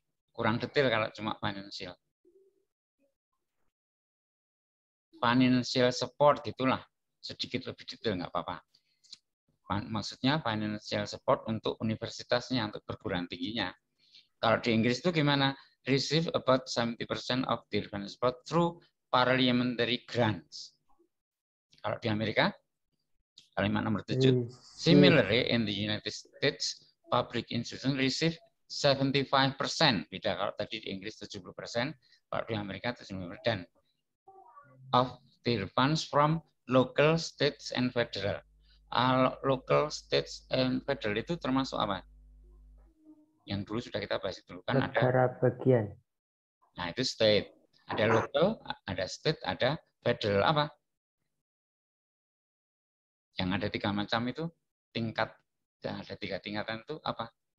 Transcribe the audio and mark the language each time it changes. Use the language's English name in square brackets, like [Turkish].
[Indonesian] Kurang detail kalau cuma financial. Financial support itulah. Sedikit lebih detail, nggak apa-apa. Maksudnya financial support untuk universitasnya, untuk perguruan tingginya. Kalau di Inggris itu gimana? [English] Receive about 70% of their financial support through parliamentary grants. [Indonesian] Kalau di Amerika? Kalimat nomor 7. [English] Similarly, in the United States, public institution receive 75%. [Indonesian] Beda kalau tadi di Inggris 70%, kalau di Amerika 75%. Dan [English] of their funds from local, states, and federal. Local, states, and federal [Indonesian] itu termasuk apa? Yang dulu sudah kita bahas itu kan negara ada negara bagian. Nah, itu state. Ada local, ada state, ada federal. Apa? Yang ada tiga macam itu tingkat, ada tiga tingkatan itu apa?